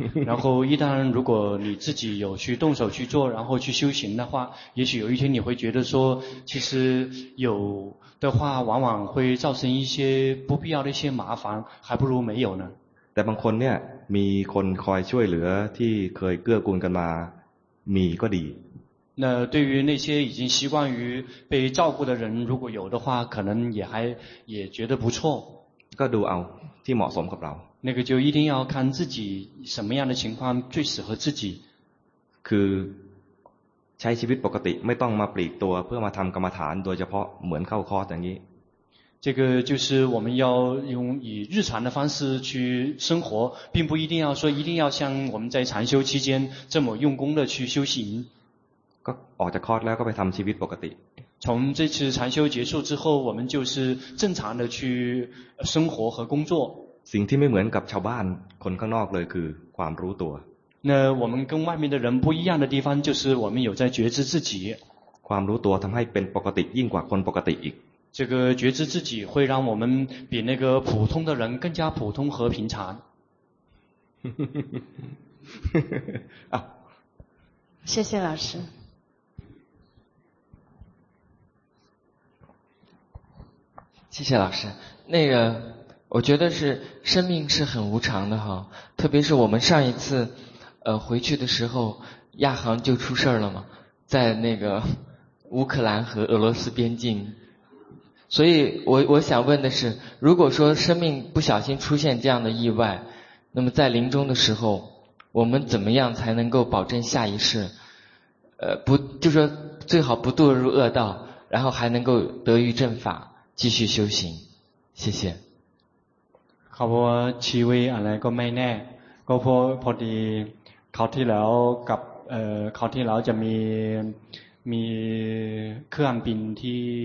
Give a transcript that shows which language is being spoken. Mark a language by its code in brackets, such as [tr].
[zh] 然后一旦如果你自己有去动手去做然后去修行的话也许有一天你会觉得说其实有的话往往会造成一些不必要的一些麻烦还不如没有呢 [th] แต่บางคนเนี่ยมีคนคอยช่วยเหลือที่เคยเกื้อกูลกันมามีก็ดี [zh] 那对于那些已经习惯于被照顾的人如果有的话可能也觉得不错 [th] ก็ดูเอาที่เหมาะสมกับเรา [zh] 那个就一定要看自己什么样的情况最适合自己 [th] คือใช้ชีวิตปกติไม่ต้องมาปลีกตัวเพื่อมาทำกรรมฐานโดยเฉพาะเหมือนเข้าคอร์สอย่างนี้ [zh] 这个就是我们要用以日常的方式去生活并不一定要说一定要像我们在禅修期间这么用功的去修行 [th] ก็ออกจากคอร์สแล้วก็ไปทำชีวิตปกติ [zh] 从这次禅修结束之后我们就是正常的去生活和工作 [th] สิ่งที่ไม่เหมือนกับชาวบ้านคนข้างนอกเลยคือความรู้ตัว [zh] 那我们跟外面的人不一样的地方就是我们有在觉知自己 [th] ความรู้ตัวทำให้เป็นปกติยิ่งกว่าคนปกติอีก [zh] 这个觉知自己会让我们比那个普通的人更加普通和平常啊谢谢老师谢谢老师那个我觉得是生命是很无常的哈特别是我们上一次回去的时候亚航就出事了嘛在那个乌克兰和俄罗斯边境所以我想问的是如果说生命不小心出现这样的意外那么在临终的时候我们怎么样才能够保证下一世不就说最好不堕入恶道然后还能够得遇正法继续修行谢谢 [th] เขาบอกว่าชีวิตอะไรก็ไม่แน่ก็พอดีคราวที่แล้วกับคราวที่แล้วจะมีเครื่องบินที่